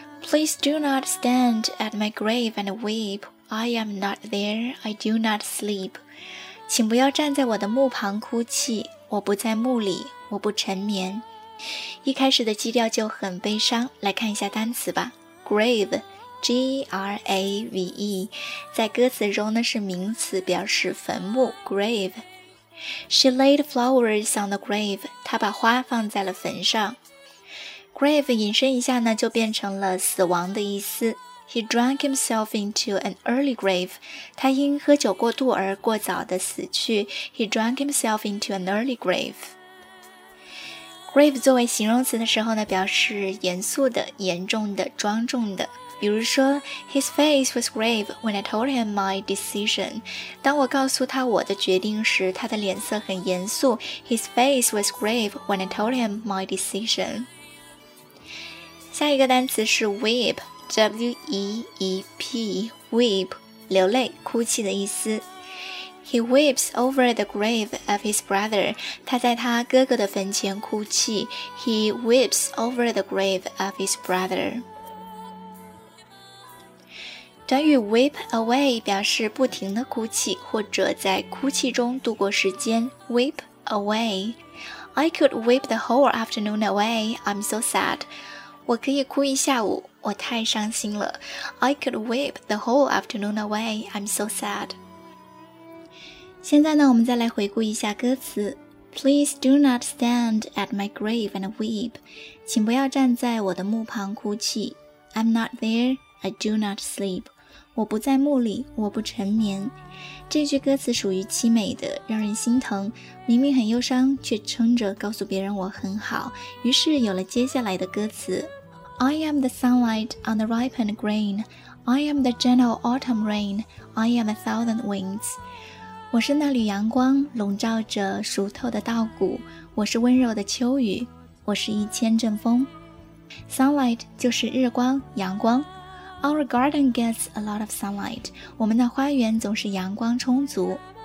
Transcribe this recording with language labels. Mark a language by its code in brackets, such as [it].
[en] Please do not stand at my grave and weep. I am not there. I do not sleep. [zh] 请不要站在我的墓旁哭泣。我不在墓里，我不沉眠。一开始的基调就很悲伤。来看一下单词吧。Grave, G-R-A-V-E, 在歌词中呢是名词，表示坟墓。Grave. [en] She laid flowers on the grave. [zh] 她把花放在了坟上。 Grave 引申一下呢，就变成了死亡的意思。 [en] He drank himself into an early grave. [zh] 他因喝酒过度而过早的死去。 [en] He drank himself into an early grave. [zh] Grave 作为形容词的时候呢，表示严肃的、严重的、庄重的。比如说 [en] ，His face was grave when I told him my decision. [zh] 当我告诉他我的决定时，他的脸色很严肃。 [en] His face was grave when I told him my decision. [zh] 下一个单词是 weep, W-E-E-P, weep, 流泪、哭泣的意思。 [en] He weeps over the grave of his brother. [zh] 他在他哥哥的坟前哭泣。 [en] He weeps over the grave of his brother. [zh] 短语 weep away 表示不停的哭泣，或者在哭泣中度过时间。 [en] Weep away. I could weep the whole afternoon away. I'm so sad. [zh] 我可以哭一下午，我太伤心了。 [en] I could weep the whole afternoon away. I'm so sad. [zh] 现在呢，我们再来回顾一下歌词。 [en] Please do not stand at my grave and weep. [zh] 请不要站在我的墓旁哭泣。 [en] I'm not there. I do not sleep. [zh] 我不在墓里，我不沉眠。这句歌词属于凄美的，让人心疼。明明很忧伤，却撑着告诉别人我很好。于是有了接下来的歌词。 [en] I am the sunlight on the ripened grain. I am the gentle autumn rain. I am a thousand winds. [zh] 我是那缕阳光，笼罩着熟透的稻谷。我是温柔的秋雨，我是一千阵风。 [en] Sunlight [zh] 就是日光，阳光。 [en] Our garden gets a lot of sunlight. [zh] 我们的花园总是阳光充足。